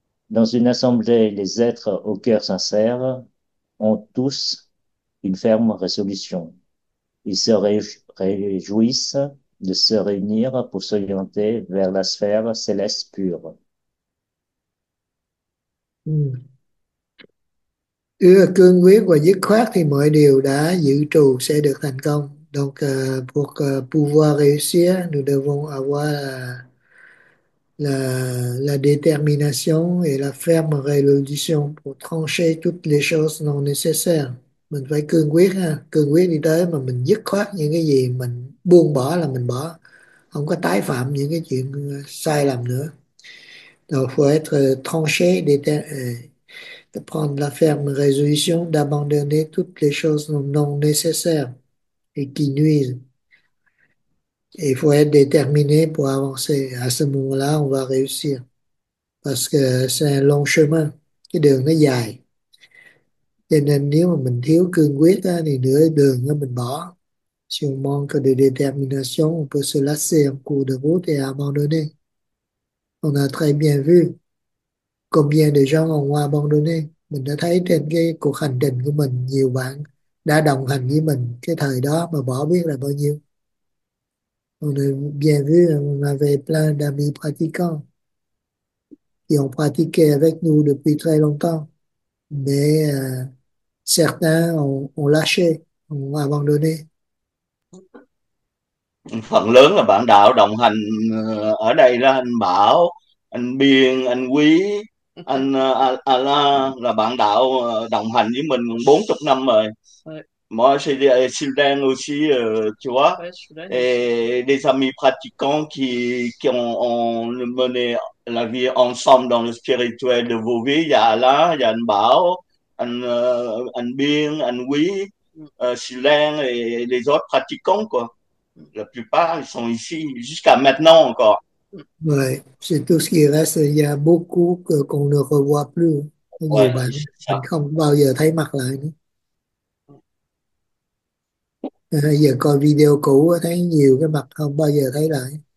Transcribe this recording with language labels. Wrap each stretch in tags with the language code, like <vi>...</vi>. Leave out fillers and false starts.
<fr>Dans une assemblée, les êtres au cœur sincère ont tous une ferme résolution. Ils se réjouissent de se réunir pour s'orienter vers la sphère céleste pure.</fr> <vi>Ừ, cương quyết và dứt khoát thì mọi điều đã dự trù sẽ được thành công.</vi> <fr>Donc, pour pouvoir réussir, nous devons avoir la détermination et la ferme résolution pour trancher toutes les choses non nécessaires.</fr> <vi>Mình phải cương quyết ha, cương quyết đi tới mà mình dứt khoát những cái gì mình buông bỏ là mình bỏ, không có tái phạm những cái chuyện sai lầm nữa.</vi> <fr>Donc, faut être tranché, de prendre la ferme résolution d'abandonner toutes les choses non nécessaires et qui nuisent. Et il faut être déterminé pour avancer. À ce moment-là, on va réussir. Parce que c'est un long chemin.</fr> <vi>Cái đường nó dài. Cho nên nếu mà mình thiếu cương quyết á, thì nửa đường nó mình bỏ.</vi> <fr>Si on manque de détermination, on peut se lasser en cours de route et abandonner. On a très bien vu combien de gens ont abandonné.</fr> <vi>Mình đã thấy trên cái cuộc hành trình của mình, nhiều bạn đã đồng hành với mình cái thời đó mà bỏ biết là bao nhiêu.</vi> <fr>On a bien vu, on avait plein d'amis pratiquants qui ont pratiqué avec nous depuis très longtemps. Mais certains ont lâché, ont abandonné.</fr> <vi>Phần lớn là bạn đạo đồng hành ở đây là anh Bảo, anh Biên, anh Quý, anh Ala là bạn đạo đồng hành với mình 40 năm rồi.</vi> <fr>Moi, c'est des étudiants aussi, tu vois, et des amis pratiquants qui ont mené la vie ensemble dans le spirituel de vos vies. Il y a Ala, il y a anh Bảo, anh Biên, anh Quý, Silen et les autres pratiquants, quoi. La plupart, ils sont ici jusqu'à maintenant encore. Ouais, c'est tout ce qui reste. Il y a beaucoup que qu'on ne revoit plus.</fr> <vi>Nhiều</vi> <fr>Ouais,</fr> <vi>bạn</vi> <fr>c'est</fr> <vi>mình không bao giờ thấy mặt lại nữa. Giờ coi video cũ thấy nhiều cái mặt không bao giờ thấy lại.</vi>